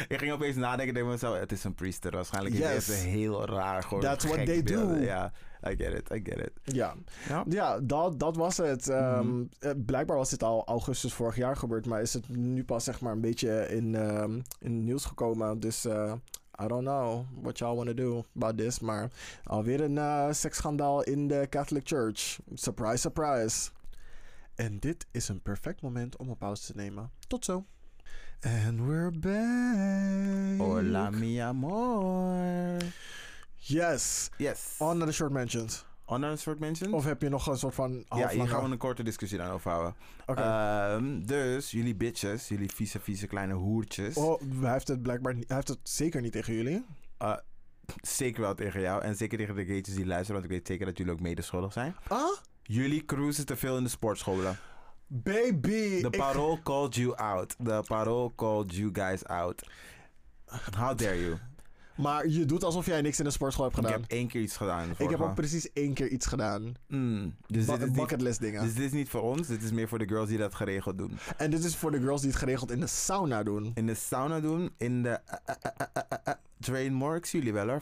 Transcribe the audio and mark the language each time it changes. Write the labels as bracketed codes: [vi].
[nl] Ik ging opeens nadenken. Ik dacht mezelf, het is een priester. Waarschijnlijk is het heel raar. Gewoon [en] that's what they [nl] beelden. [en] Do. Ja, I get it. [nl] Ja, ja dat was het. Blijkbaar was dit al augustus vorig jaar gebeurd. Maar is het nu pas zeg maar een beetje in nieuws gekomen. Dus [en] I don't know what y'all want to do about this. [nl] Maar alweer een seksschandaal in de Catholic Church. [en] Surprise, surprise. [nl] En dit is een perfect moment om een pauze te nemen. Tot zo. [en] And we're back. [es] Hola, mi amor. [en] Yes. Yes. On to the short mentions. On to the short mentions? [nl] Of heb je nog een soort van half ja, hier gaan we een korte discussie dan over houden. Oké. Okay. Dus, jullie bitches, jullie vieze, vieze kleine hoertjes. Oh, hij heeft het zeker niet tegen jullie. Zeker wel tegen jou. En zeker tegen de gaytjes die luisteren, want ik weet zeker dat jullie ook medeschuldig zijn. Ah? Jullie cruisen te veel in de sportscholen. [en] Baby! The parool called you out. The parool called you guys out. How dare you? [nl] Maar je doet alsof jij niks in de sportschool hebt gedaan. Ik heb één keer iets gedaan. Ik heb ook precies één keer iets gedaan. Bucketlist dingen. Dus dit is niet voor ons. Dit is meer voor de girls die dat geregeld doen. En dit is voor de girls die het geregeld in de sauna doen. In de sauna doen. In de... Trainworks, jullie wel hoor.